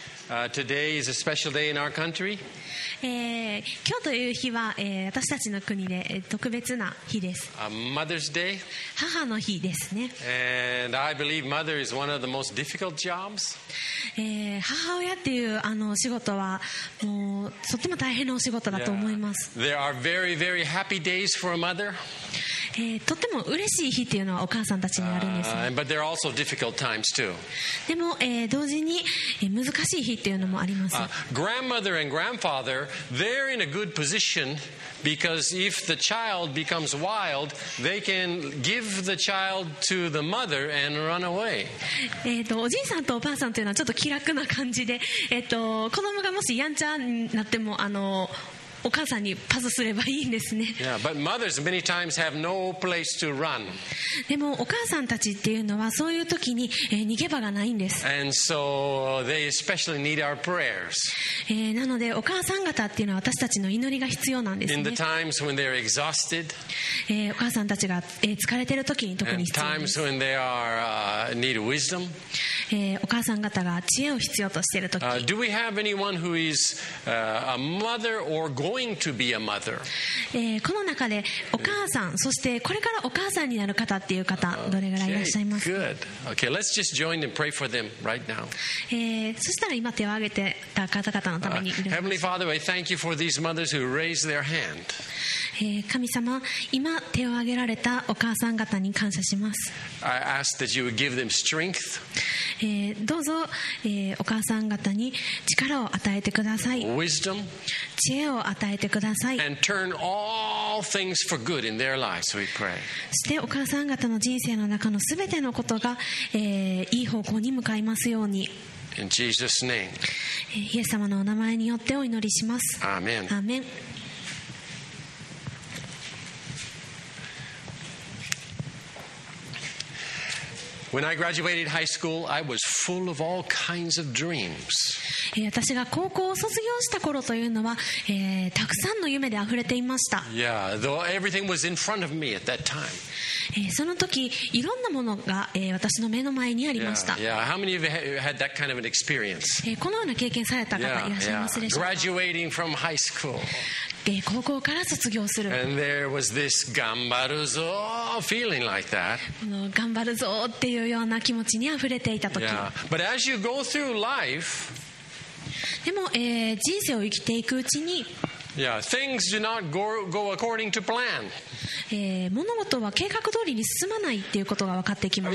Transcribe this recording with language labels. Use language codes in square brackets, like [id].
[en] Today is a special day in our country. [ja] 今日という日は、私たちの国で特別な日です。 [en] Mother's Day. [ja] 母の日ですね。 [en] And I believe mother is one of the most difficult jobs. [ja] 母親っていうあの仕事はもうとても大変なお仕事だと思います。 [en] Yeah. There are very, very happy days for a mother. [ja] とても嬉しい日というのはお母さんたちにあるんですね。でも、同時に、難しい日というのもあります。 [en] Grandmother and grandfather, they're in a good position because if the child becomes wild, they can give the child to the mother and run away. [ja] おじいさんとおばあさんというのはちょっと気楽な感じで、子供がもしやんちゃになってもあのお母さんにパスすればいいんですね。 [en] Yeah, but mothers many times have no place to run. [ja] でもお母さんたちっていうのはそういう時に逃げ場がないんです。 [en] And so they especially need our prayers. [ja] なのでお母さん方っていうのは私たちの祈りが必要なんですね。 [en] In the times when they're exhausted. [ja] お母さんたちが疲れてる時に特に必要です。 [en] And times when they are need wisdom. [ja] お母さん方が知恵を必要としてる時。 [en] Do we have anyone who is a mother or going to be a mother. [ja] この中でお母さん、そしてこれからお母さんになる方っていう方、どれぐらいいらっしゃいますか。 [en] Okay, good. Okay, let's just join and pray for them right now. [ja] そしたら今手を挙げてた方々のために。 [en] Heavenly Father, we thank you for these mothers who raised their hand. [ja] 神様、今手を挙げられたお母さん方に感謝します。 [en] I ask that you would give them strength. [ja] どうぞ、お母さん方に力を与えてください。 [en] Wisdom. [ja] 知恵を与えてください。 [en] And turn all things for good in their lives, we pray. [ja] そしてお母さん方の人生の中のすべてのことが、いい方向に向かいますように。 [en] In Jesus' name. [ja] イエス様のお名前によってお祈りします。 [en] Amen. Amen. When I graduated high school, I was full of all kinds of dreams. [ja] 私が高校を卒業した頃というのは、たくさんの夢で溢れていました。 [en] Yeah, though everything was in front of me at that time. [ja] その時、いろんなものが、私の目の前にありました。 [en] Yeah, how many of you had that kind of an experience? [ja] このような経験された方いらっしゃいますでしょうか? [en] Yeah, graduating from high school. [ja] 高校から卒業する。 [en] And there was this [ja] 頑張るぞ [en] feeling like that. [ja] 頑張るぞっていうような気持ちにあふれていた時。 [en] Yeah. But as you go through life, [ja] でも、人生を生きていくうちに、 [en] Yeah, things do not go according to plan. [ja] 物事は計画通りに進まないっていうことが分かってきます。